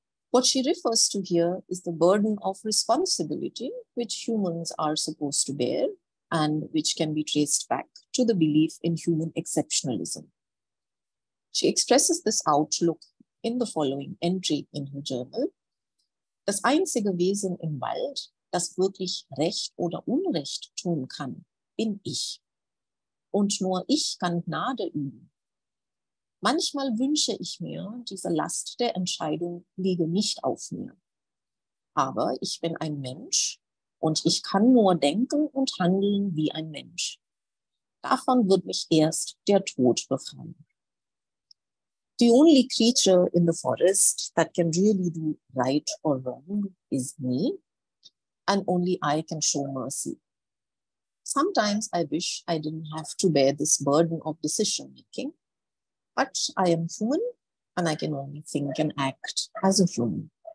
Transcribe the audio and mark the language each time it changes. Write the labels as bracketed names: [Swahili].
[English] What she refers to here is the burden of responsibility which humans are supposed to bear and which can be traced back to the belief in human exceptionalism. She expresses this outlook in the following entry in her journal. [German] "Das einzige Wesen im Wald, das wirklich Recht oder Unrecht tun kann, bin ich. Und nur ich kann Gnade üben. Manchmal wünsche ich mir, diese Last der Entscheidung liege nicht auf mir. Aber ich bin ein Mensch und ich kann nur denken und handeln wie ein Mensch. Davon wird mich erst der Tod befreien. [English] The only creature in the forest that can really do right or wrong is me. and only I can show mercy. Sometimes I wish I didn't have to bear this burden of decision making, but I am human and I can only think and act as a human.